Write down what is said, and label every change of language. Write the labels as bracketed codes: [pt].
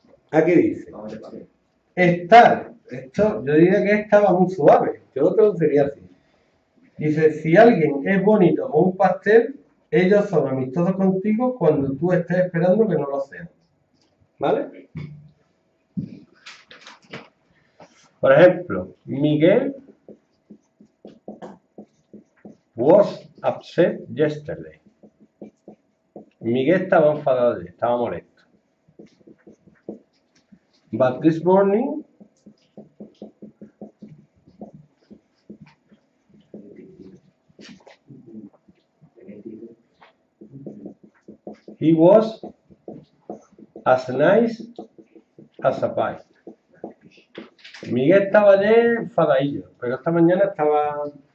[es] Aquí dice estar. Esto yo diría que estaba muy suave. Yo lo traduciría así. Dice, si alguien es bonito como un pastel, ellos son amistosos contigo cuando tú estés esperando que no lo sean. ¿Vale? Por ejemplo, [en] Miguel was upset yesterday. [es] Miguel estaba enfadado, estaba molesto. [en] But this morning, he was as nice as a pie. [es] Miguel estaba de enfadadillo, pero esta mañana estaba.